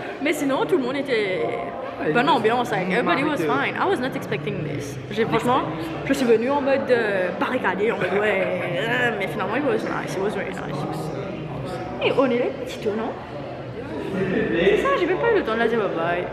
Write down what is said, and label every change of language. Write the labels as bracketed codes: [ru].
[fr] Mais sinon, tout le monde était bonne ambiance. [en] Like, everybody was fine. I was not expecting this. [fr] Franchement, je suis venue en mode barricadé, en mode ouais. Mais finalement, [en] it was nice. It was really nice. [fr] Et on est les petits tours, non? C'est ça, j'ai même pas eu le temps de la dire bye bye.